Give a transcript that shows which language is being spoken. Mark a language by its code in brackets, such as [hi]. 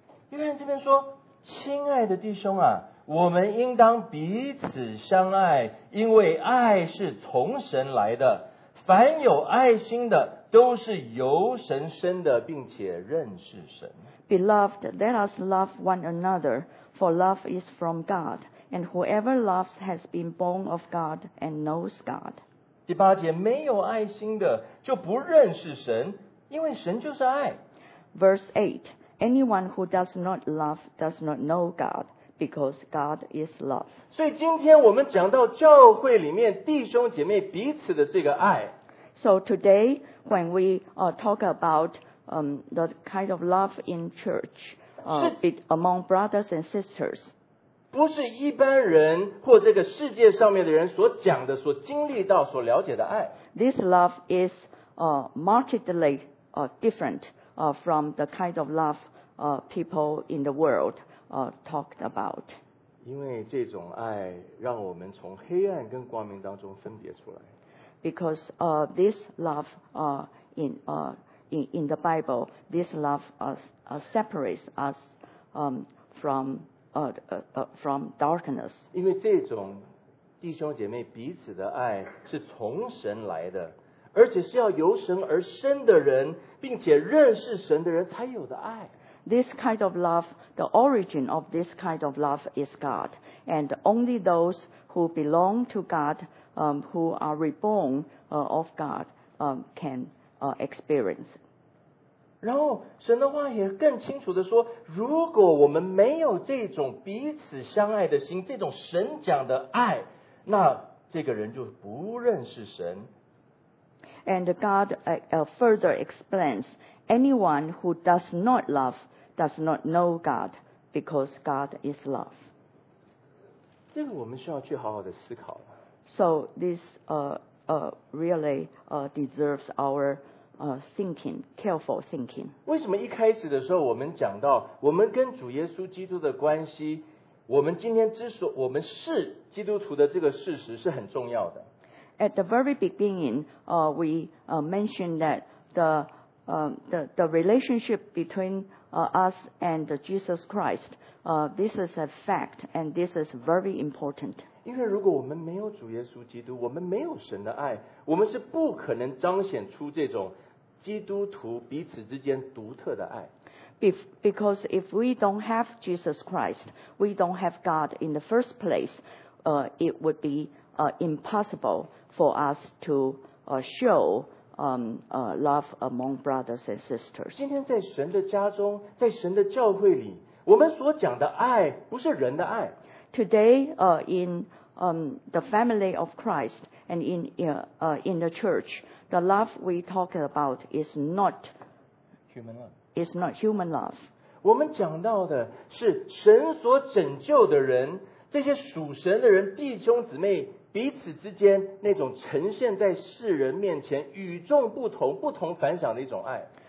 [zh] 约翰这边说，亲爱的弟兄啊，我们应当彼此相爱，因为爱是从神来的。凡有爱心的，都是由神生的，并且认识神。 [en] Beloved, let us love one another, for love is from God, and whoever loves has been born of God and knows God. [zh] 第八节，没有爱心的就不认识神，因为神就是爱。 [en] Verse 8, anyone who does not love does not know God, because God is love. [zh] 所以今天我们讲到教会里面弟兄姐妹彼此的这个爱。 [en] So today, when we talk about the kind of love in church among brothers and sisters. [zh] 不是一般人或这个世界上面的人所讲的所经历到所了解的爱。 [en] This love is markedly different from the kind of love people in the world talked about. [zh] 因为这种爱让我们从黑暗跟光明当中分别出来。 [en] Because this love in the Bible, this love separates us from darkness. [zh] 因为这种弟兄姐妹彼此的爱是从神来的，而且是要由神而生的人，并且认识神的人才有的爱。 [en] This kind of love, the origin of this kind of love is God, and only those who belong to God, who are reborn of God, can experience. [zh] 然后神的话也更清楚地说，如果我们没有这种彼此相爱的心，这种神讲的爱，那这个人就不认识神。 [en] And God further explains, anyone who does not love does not know God, because God is love. [zh] 这个我们需要去好好的思考。 [en] So this really deserves our thinking, careful thinking. [zh] 为什么一开始的时候我们讲到我们跟主耶稣基督的关系，我们今天之所我们是基督徒的这个事实是很重要的。 [en] At the very beginning, mentioned that the relationship between us and Jesus Christ, this is a fact and this is very important. [zh] 因为如果我们没有主耶稣基督，我们没有神的爱，我们是不可能彰显出这种基督徒彼此之间独特的爱。 [en] Because if we don't have Jesus Christ, we don't have God in the first place, it would be impossible for us to show love among brothers and sisters. [zh] 今天在神的家中，在神的教会里，我们所讲的爱不是人的爱。 [en] Today, in the family of Christ and in the church, the love we talk about is not human love. Is not human love. [zh] 我们讲到的是神所拯救的人，这些属神的人，弟兄姊妹彼此之间那种呈现在世人面前与众不同、不同凡响的一种爱。